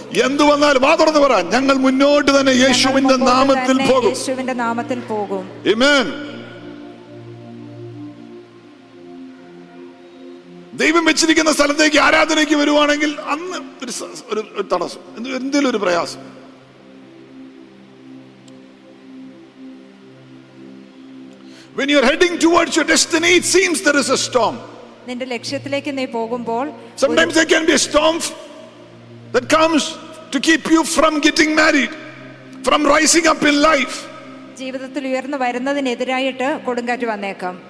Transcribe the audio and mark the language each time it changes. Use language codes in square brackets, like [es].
[ml] എന്ത് വന്നാലും വാ തുറന്ന് പറ, ഞങ്ങൾ മുന്നോട്ട് തന്നെ യേശുവിന്റെ നാമത്തിൽ പോകും, യേശുവിന്റെ നാമത്തിൽ പോകും. ആമേൻ. ദൈവം വെച്ചിരിക്കുന്ന സ്ഥലത്തേക്ക് ആരാധനയ്ക്ക് വരുവാണെങ്കിൽ അന്ന് ഒരു തടസ്സം, എന്തെങ്കിലും ഒരു പ്രയാസം. [en] When you are heading towards your destiny, it seems there is a storm. [ml] നിന്റെ ലക്ഷ്യത്തിലേക്ക് നീ പോകുമ്പോൾ [en] sometimes there can be a storm that comes to keep you from getting married, from rising up in life. [ml] ജീവിതത്തിൽ ഉയർന്നു വരുന്നതിനെതിരായിട്ട് കൊടുങ്കാറ്റ് വന്നേക്കാം.